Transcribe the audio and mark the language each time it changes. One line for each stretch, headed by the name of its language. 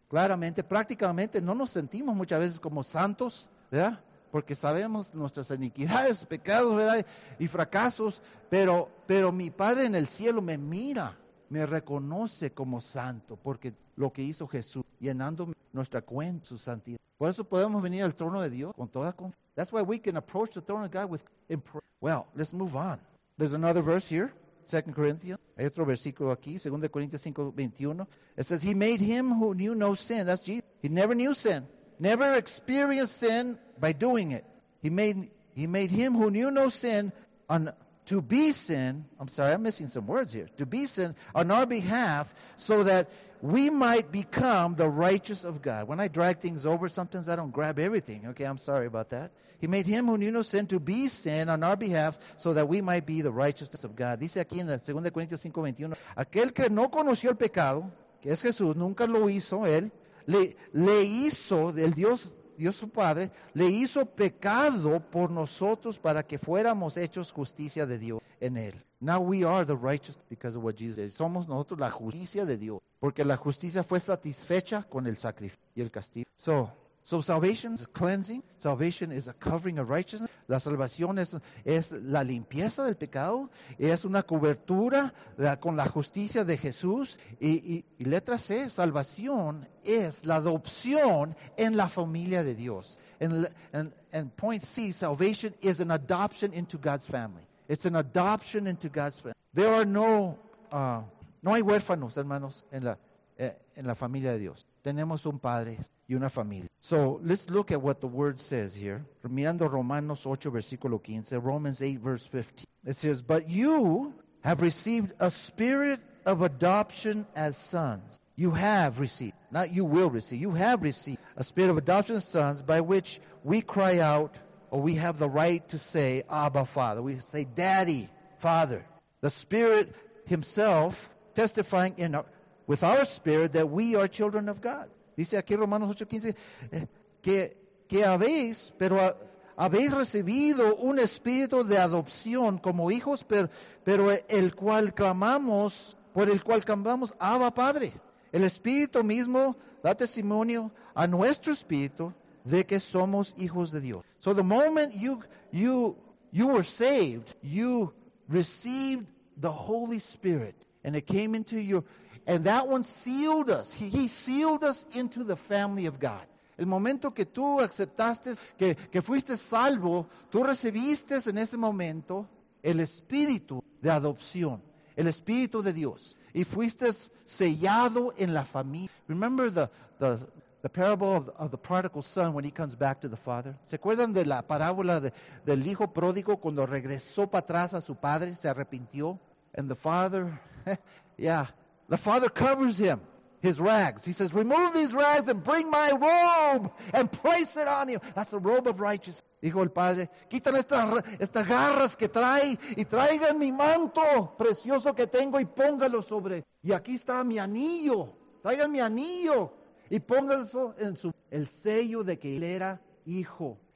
Spanish: Claramente, prácticamente, no nos sentimos muchas veces como santos, ¿verdad? Porque sabemos nuestras iniquidades, pecados, ¿verdad? Y fracasos. Pero mi Padre en el cielo me mira, me reconoce como santo porque lo que hizo Jesús llenando nuestra cuenta, su santidad. Por eso podemos venir al trono de Dios con toda confianza.
English: That's why we can approach the throne of God with in prayer. Well, let's move on. There's another verse here, 2 Corinthians.
Spanish: Hay otro versículo aquí, 2 Corintios 5:21.
English: It says, He made him who knew no sin. That's Jesus. He never knew sin. Never experienced sin by doing it. He made him who knew no sin on to be sin. I'm sorry, I'm missing some words here. To be sin on our behalf so that we might become the righteous of God. When I drag things over, sometimes I don't grab everything. Okay, I'm sorry about that. He made him who knew no sin to be sin on our behalf so that we might be the righteousness of God.
Spanish: Dice aquí en 2 Corintios 5:21, aquel que no conoció el pecado, que es Jesús, nunca lo hizo, él le hizo, el Dios su Padre, le hizo pecado por nosotros para que fuéramos hechos justicia de Dios en él.
English: Now we are the righteous because of what Jesus did.
Spanish: Somos nosotros la justicia de Dios. Porque la justicia fue satisfecha con el sacrificio y el castigo.
English: So salvation is cleansing. Salvation is a covering of righteousness.
Spanish: La salvación es la limpieza del pecado. Es una cobertura con la justicia de Jesús. Y letra C, salvación es la adopción en la familia de Dios.
English: And point C, salvation is an adoption into God's family. It's an adoption into God's family. There are no
Spanish: hay huérfanos, hermanos, en la familia de Dios. Tenemos un padre y una familia.
English: So let's look at what the word says here.
Spanish: Mirando Romanos 8, versículo 15,
English: Romans 8, verse 15. It says, but you have received a spirit of adoption as sons. You have received, not you will receive. You have received a spirit of adoption as sons by which we cry out, or we have the right to say, Abba, Father. We say, Daddy, Father. The Spirit Himself testifying with our spirit that we are children of God.
Spanish: Dice aquí Romanos 8:15, que habéis, pero habéis recibido un espíritu de adopción como hijos, pero el cual clamamos, por el cual clamamos, Abba, Padre. El Espíritu mismo da testimonio a nuestro espíritu de que somos hijos de Dios.
English: So the moment you were saved, you received the Holy Spirit, and it came into your, and that one sealed us. He sealed us into the family of God.
Spanish: El momento que tú aceptaste, que fuiste salvo, tú recibiste en ese momento el Espíritu de adopción, el Espíritu de Dios, y fuiste sellado en la familia.
English: Remember the The parable of the prodigal son when he comes back to the father.
Spanish: ¿Se acuerdan de la parábola del hijo pródigo cuando regresó para atrás a su padre, se arrepintió?
English: And the father, yeah, the father covers him, his rags. He says, remove these rags and bring my robe and place it on you. That's the robe of righteousness.
Spanish: Dijo el padre, quitan estas garras que trae y traigan mi manto precioso que tengo y póngalo sobre. Y aquí está mi anillo. Traigan mi anillo. Y pónganlo en su el sello de que él era hijo.